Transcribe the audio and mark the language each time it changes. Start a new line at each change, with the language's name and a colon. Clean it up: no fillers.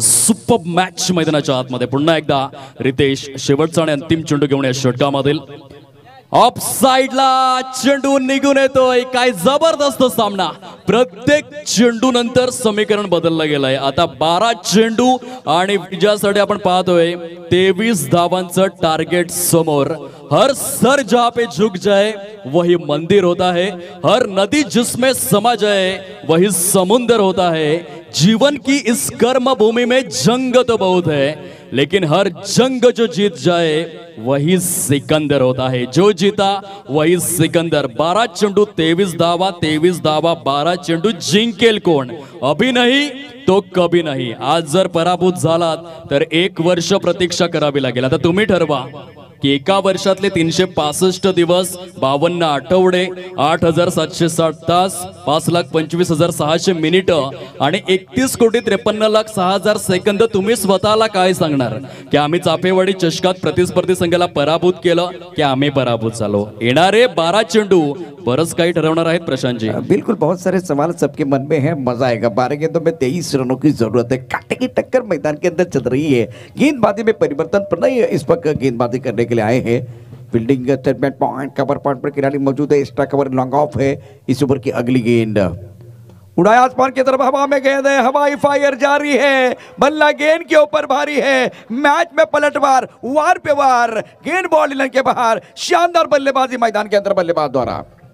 Marathi: Super match मैदानाच्या आत मध्ये पुन्हा एकदा रितेश शेवटचा आणि अंतिम चेंडू घेऊन या षटका मधील ऑफ साइडला चेंडू निघून येतोय। काय जबरदस्त सामना, प्रत्येक चेंडू नंतर समीकरण बदललं गेलंय। आता 12 चेंडू आणि विजयासाठी आपण पाहतोय 23 धावांचं टार्गेट समोर।
Hindi: हर सर जहां पे झुक जाए वही मंदिर होता है, हर नदी जिसमें समा जाए वही समुंदर होता है। जीवन की इस कर्म भूमि में जंग तो बहुत है, लेकिन हर जंग जो जीत जाए वही सिकंदर होता है। जो जीता वही सिकंदर।
Marathi: 12 चेंडू 23 धावा, 23 धावा 12 चेंडू, जिंकेल कोण?
Hindi: अभी नहीं तो कभी नहीं।
Marathi: आज जर पराभूत झालात तर एक वर्ष प्रतीक्षा करावी लागेल। आता तुम्ही ठरवा की एका वर्षातले 365 दिवस, 52 आठवडे, 8760 तास, 525,600 मिनिट आणि 31,53,06,000 सेकंद तुम्ही स्वतःला काय सांगणार की आम्ही चापेवाडी चषकात प्रतिस्पर्धी संघाला पराभूत केलं की आम्ही पराभूत झालो? येणारे 12 चेंडू बरस काही ठरवणार आहेत प्रशांत जी।
Hindi: बिलकुल, बहुत सारे सवाल सबके मन में है, मजा आएगा। 12 गेंदों में 23 रनों की जरूरत है, कांटे की टक्कर मैदान के अंदर चल रही है, गेंदबाजी में परिवर्तन पर नहीं है। इस वक्त गेंदबाजी करने के लिए आए हैं, fielding statement point cover point पर खिलाड़ी मौजूद है, एक्स्ट्रा कवर लॉन्ग ऑफ है। इस ऊपर की अगली गेंद उड़ाया आसमान की तरफ, हवा में गेंद है, हवाई फायर जारी है, बल्ला गेंद के ऊपर भारी है, मैच में पलटवार, वार पे वार, गेंद बॉलिंग के बाहर, शानदार बल्लेबाजी मैदान के अंदर बल्लेबाज द्वारा।